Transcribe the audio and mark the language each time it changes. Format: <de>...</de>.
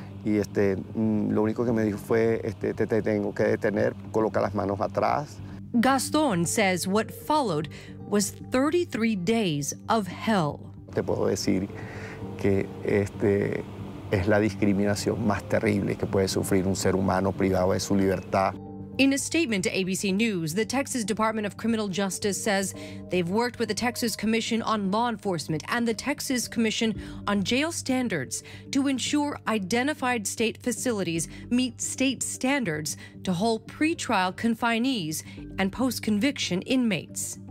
<es>Y lo único que me dijo fue, te tengo que detener, coloca las manos atrás.</es> <en>Gastón says what followed was 33 days of hell.</en> <es>Te puedo decir que es la discriminación más terrible que puede sufrir un ser humano privado de su libertad.</es> <en>In a statement to ABC News, the Texas Department of Criminal Justice says they've worked with the Texas Commission on Law Enforcement and the Texas Commission on Jail Standards to ensure identified state facilities meet state standards to hold pretrial confinees and post-conviction inmates.</en>